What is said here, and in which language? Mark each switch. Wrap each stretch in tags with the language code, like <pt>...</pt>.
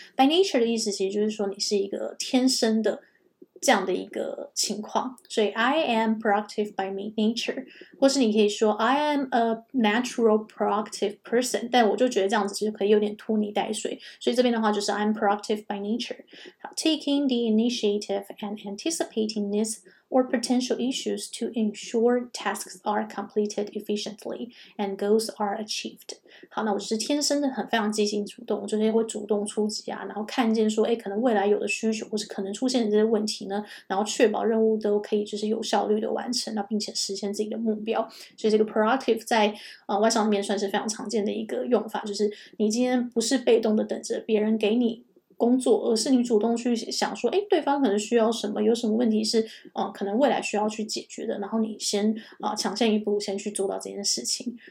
<zh>By nature 的意思其实就是说你是一个天生的这样的一个情况，所以</zh> <en>I am proactive by nature，</en> <zh>或是你可以说</zh> <en>I am a natural proactive person，</en> <zh>但我就觉得这样子就可以有点拖泥带水，所以这边的话就是</zh> <en>I am proactive by nature。 Taking the initiative and anticipating this or potential issues to ensure tasks are completed efficiently and goals are achieved。</en> <zh>好，那我是天生的很非常积极主动，就是会主动出击啊，然后看见说可能未来有的需求或是可能出现的这些问题呢，然后确保任务都可以就是有效率的完成，那并且实现自己的目标。所以这个 proactive 在外商里面算是非常常见的一个用法，就是你今天不是被动的等着别人给你工作，而是你主动去想说对方可能需要什么，有什么问题是可能未来需要去解决的，然后你先抢先一步先去做到这件事情。</zh>